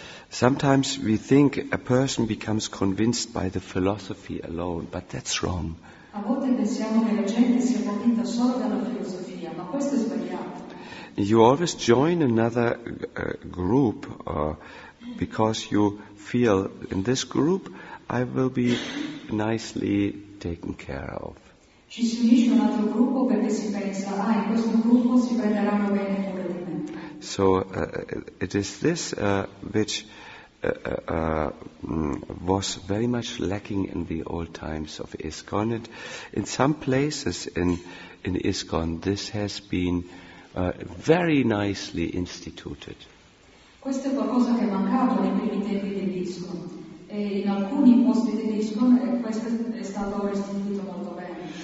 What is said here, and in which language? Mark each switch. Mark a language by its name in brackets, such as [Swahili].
[English] Sometimes we think a person becomes convinced by the philosophy alone, but that's wrong. [Italian] A volte pensiamo che la gente sia convinta solo dalla filosofia, ma questo è sbagliato. [English] You always join another group because you feel in this group I will be nicely taken care of. [Italian] Ci si unisce un altro gruppo perché si pensa, ah, in questo gruppo si prenderanno bene cura di me. [English] So it is this which was very much lacking in the old times of ISKCON. And in some places in ISKCON, this has been very nicely instituted. [Italian] Questo è qualcosa che è mancato nei primi tempi dell'ISKCON. E in alcuni posti dell'ISKCON questo è stato restituito molto bene.